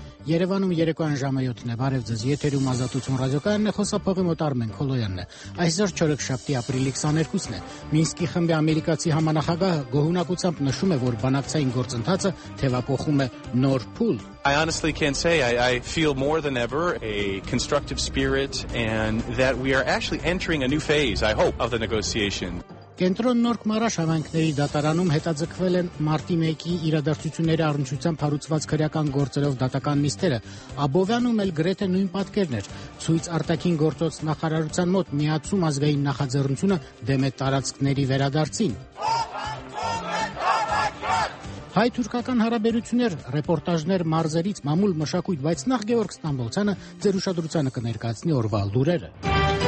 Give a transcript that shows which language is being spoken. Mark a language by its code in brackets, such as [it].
[hy] Երևանում 2 այն ժամը 7-ն է, բարև ձեզ, եթերում ազատություն ռադիոկայանն է, խոսափողի մոտ Արմեն Քոլոյանն է, այսօր չորեքշաբթի ապրիլի 22-ն է, Մինսկի խմբի ամերիկացի համանախագահ գոհունակությամբ նշում է, որ բանակցային գործընթացը թևակոխում է նոր փուլ. [en] I honestly can say I feel more than ever a constructive spirit and that we are actually entering a new phase, I hope, of the negotiation. [hy] Կենտրոն նոր կմարաշ ավանքների դատարանում հետաձգվել են մարտի 1-ի իրադարձությունների առնչությամբ հարուցված քրեական գործերով դատական նիստերը։ Աբովյանում էլ գրեթե նույն պատկերն էր։ Ցույց արտաքին գործոց նախարարության մոտ միացում ազգային նախաձեռնությունը դեմ է տարածքների վերադարձին։ Հայ-թուրքական հարաբերություններ, ռեպորտաժներ մարզերից, մամուլ մշակույթ, բայց նախ Գևորգ Ստամբոլցյանը ձեր ուշադրությանը կներկայացնի օրվա լուրերը։